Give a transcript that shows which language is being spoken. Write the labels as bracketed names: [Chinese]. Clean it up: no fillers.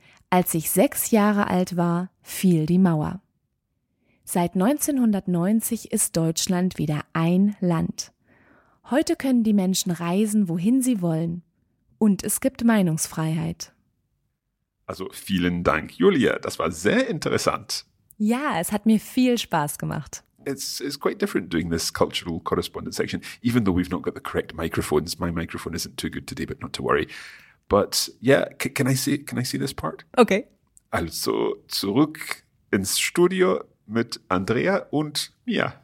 [German] Als ich 6 Jahre alt war, fiel die Mauer. Seit 1990 ist Deutschland wieder ein Land. Heute können die Menschen reisen, wohin sie wollen. Und es gibt Meinungsfreiheit. Also vielen Dank, Julia. Das war sehr interessant. Ja, es hat mir viel Spaß gemacht. [English] it's quite different doing this cultural correspondence section, even though we've not got the correct microphones. My microphone isn't too good today, but not to worry. But yeah, can I see this part? Okay. [German] Also zurück ins Studio mit Andrea und Mia.